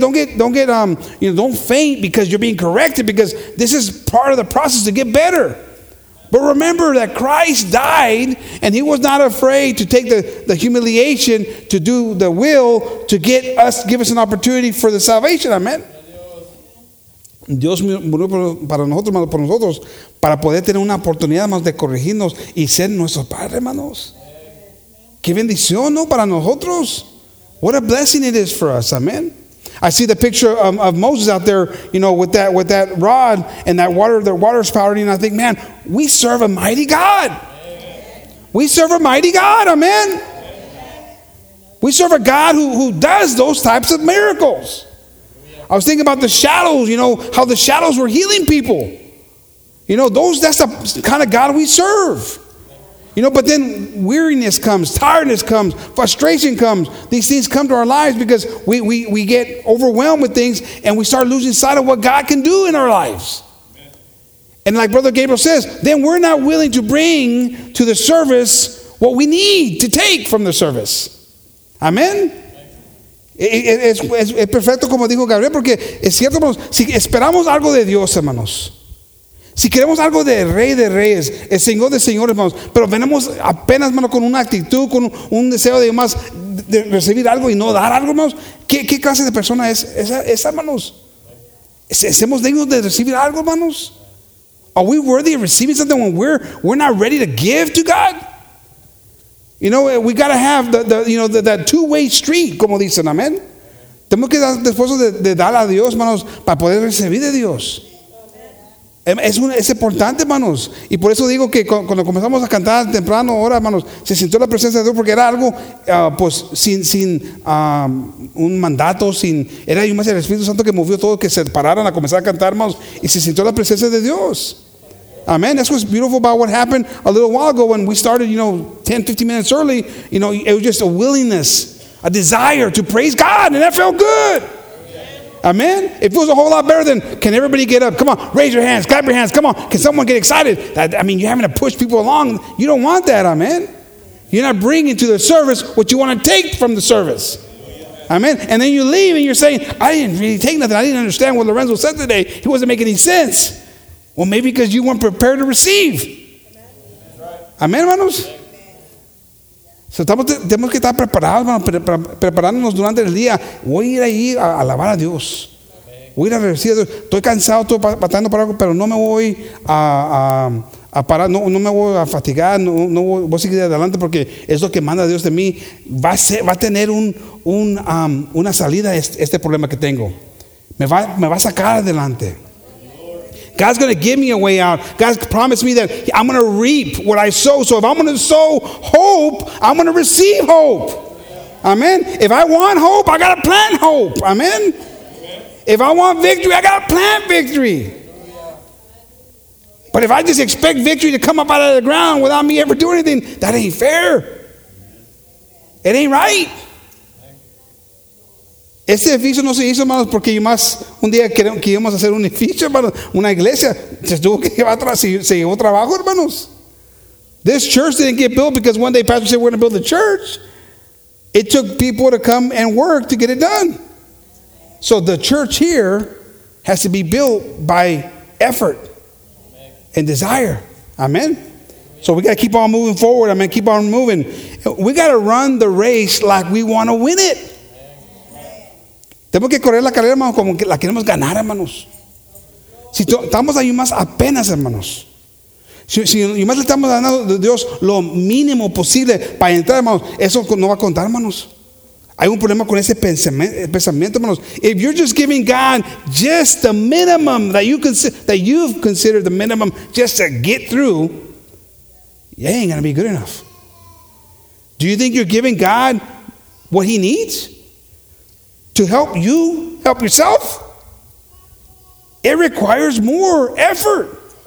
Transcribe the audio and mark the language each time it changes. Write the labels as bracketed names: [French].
[English] Don't faint because you're being corrected, because this is part of the process to get better. But remember that Christ died and he was not afraid to take the humiliation to do the will to get us, give us an opportunity for the salvation. Amen. [Spanish] Dios murió para nosotros, hermanos, por nosotros, para poder tener una oportunidad más de corregirnos y ser nuestro padre, hermanos. Qué bendición, ¿no? Para nosotros. [English] What a blessing it is for us. Amen. I see the picture of Moses out there, you know, with that rod and that water, the water spouting, and I think, man, we serve a mighty God. Amen. We serve a mighty God, amen. Amen. We serve a God who does those types of miracles. Amen. I was thinking about the shadows, you know, how the shadows were healing people. You know, that's the kind of God we serve. You know, but then weariness comes, tiredness comes, frustration comes. These things come to our lives because we get overwhelmed with things and we start losing sight of what God can do in our lives. Amen. And like Brother Gabriel says, then we're not willing to bring to the service what we need to take from the service. Amen? [Spanish] Es perfecto como dijo Gabriel, porque es cierto, hermanos, si esperamos algo de Dios, hermanos, si queremos algo de reyes, el Señor de señores, hermanos, pero venimos apenas, hermano, con una actitud, con un deseo de más de recibir algo y no dar algo, hermanos, ¿qué clase de persona es esa, hermanos? ¿Somos dignos de recibir algo, hermanos? [English] Are we worthy of receiving something when we're not ready to give to God? You know, we got to have the two-way street, [Spanish] como dicen, [English] amén. [Spanish] Tenemos que estar dispuestos de dar a Dios, hermanos, para poder recibir de Dios. Es importante, hermanos. Y por eso digo que cuando comenzamos a cantar temprano ahora, hermanos, se sintió la presencia de Dios, porque era algo sin un mandato, sin, era yo más el Espíritu Santo que movió todo, que se pararon a comenzar a cantar, hermanos, y se sintió la presencia de Dios. Amen. [English] That's what's beautiful about what happened a little while ago when we started, you know, 10, 15 minutes early. You know, it was just a willingness, a desire to praise God, and that felt good. Amen. It feels a whole lot better than, can everybody get up? Come on, raise your hands, clap your hands. Come on, can someone get excited? I mean, you're having to push people along. You don't want that, amen. You're not bringing to the service what you want to take from the service. Amen. And then you leave and you're saying, I didn't really take nothing. I didn't understand what Lorenzo said today. He wasn't making any sense. Well, maybe because you weren't prepared to receive. [Spanish] Amen, hermanos. So, tenemos que estar preparados, hermanos, preparándonos durante el día. Voy a ir ahí a alabar a Dios. Voy a ir a recibir a Dios. Estoy cansado, estoy batallando para algo, pero no me voy a parar, no me voy a fatigar, no voy a seguir adelante porque es lo que manda Dios de mí. Va a tener una salida este problema que tengo. Me va a sacar adelante. [English] God's going to give me a way out. God's promised me that I'm going to reap what I sow. So if I'm going to sow hope, I'm going to receive hope. Amen. If I want hope, I got to plant hope. Amen. If I want victory, I got to plant victory. But if I just expect victory to come up out of the ground without me ever doing anything, that ain't fair. It ain't right. [Spanish] Este edificio no se hizo, hermanos, porque yo más un día que íbamos a hacer un edificio, hermanos, una iglesia, se tuvo que llevar atrás y se llevó trabajo, hermanos. [English] This church didn't get built because one day pastor said we're going to build a church. It took people to come and work to get it done. So the church here has to be built by effort and desire. Amen. So we got to keep on moving forward. Amen. Keep on moving. We got to run the race like we want to win it. [Spanish] Tenemos que correr la carrera, hermanos, como que la queremos ganar, hermanos. Si estamos ahí más apenas, hermanos. Si más le estamos dando a Dios lo mínimo posible para entrar, hermanos, eso no va a contar, hermanos. Hay un problema con ese pensamiento, hermanos. [English] If you're just giving God just the minimum that you've considered the minimum just to get through, you ain't going to be good enough. Do you think you're giving God what he needs? To help you help yourself, it requires more effort.